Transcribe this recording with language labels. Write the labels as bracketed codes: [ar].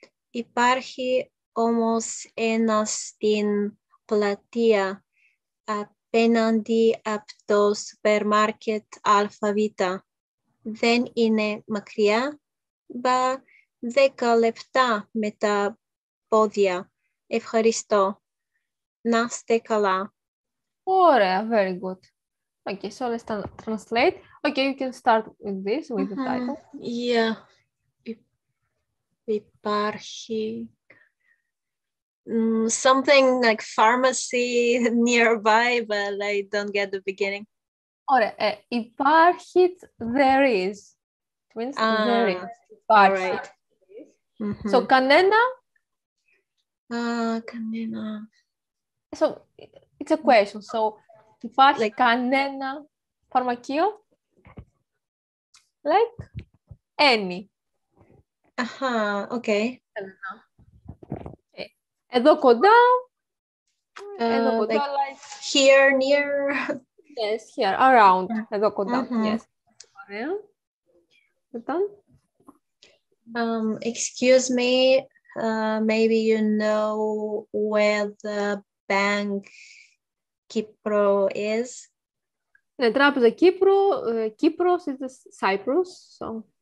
[el] Υπάρχει όμως ένα στην πλατεία απέναντι από το supermarket Αλφαβήτα. Δεν είναι μακριά, μπα 10 λεπτά με τα πόδια. Ευχαριστώ. Να είστε καλά. Ωραία, [en] very good. Okay, so let's translate. Okay, you can start with this, with the title. Yeah. [el] Υπάρχει [en] something like pharmacy nearby, but I don't get the beginning. [el] Ωραία, υπάρχει, [en] there is. Twins, there is. All right. So, [el] κανένα. Κανένα. [en] So, it's a question. So, [el] υπάρχει [en] like, [el] κανένα φαρμακείο? [en] Like, any. Αχα, okay. [el] Εδώ κοντά. Εδώ κοντά, [en] like... Here, near. Yes, here, around. Yeah. [el] Εδώ κοντά, [en] yes. [el] Ωραία. Λοιπόν. [en] Excuse me, maybe you know where the bank Kipro is. [el] Ναι, τράπεζα Κύπρου, Κύπρος [en] is Cyprus, so.